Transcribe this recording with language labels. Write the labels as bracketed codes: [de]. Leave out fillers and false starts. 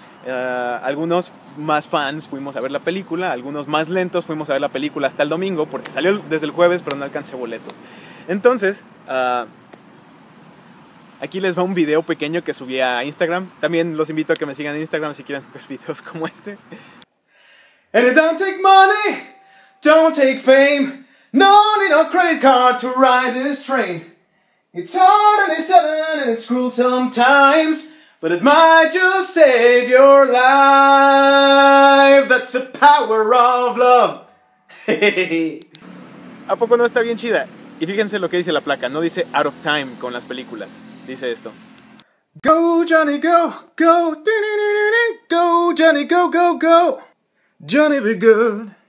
[es] Algunos más fans fuimos a ver la película, algunos más lentos fuimos a ver la película hasta el domingo, porque salió desde el jueves, pero no alcancé boletos. Entonces, aquí les va un video pequeño que subí a Instagram. También los invito a que me sigan en Instagram si quieren ver videos como este. [en] And it don't take money, don't take fame, no need a credit card to ride this train. It's hard and it's sudden and it's cruel sometimes, but it might just save your life. That's the power of love. [es] ¿A poco no está bien chida? Y fíjense lo que dice la placa, no dice [en] out of time [es] con las películas. Dice esto: [en] Go Johnny go, go, go Johnny go, go, go, Johnny be good.